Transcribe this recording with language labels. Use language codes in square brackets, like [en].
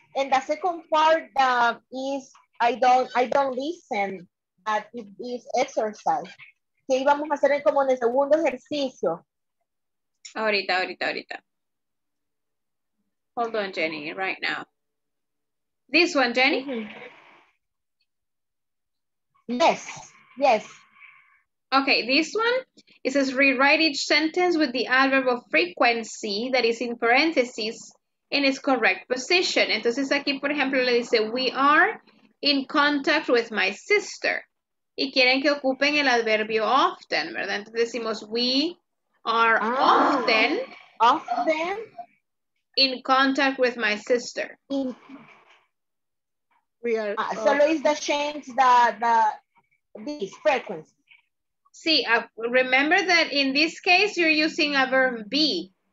[en] And the second part is I don't listen, but it is exercise. [es] ¿Qué íbamos a hacer como en el segundo ejercicio? Ahorita. [en] Hold on, Jenny, right now. This one, Jenny? Mm-hmm. Yes. Okay, this one, it says rewrite each sentence with the adverb of frequency that is in parentheses in its correct position. [es] Entonces aquí, por ejemplo, le dice, [en] we are in contact with my sister. [es] Y quieren que ocupen el adverbio often, ¿verdad? Entonces decimos, [en] we are often in contact with my sister. Solo is the change this frequency. See, remember that in this case, you're using a verb be.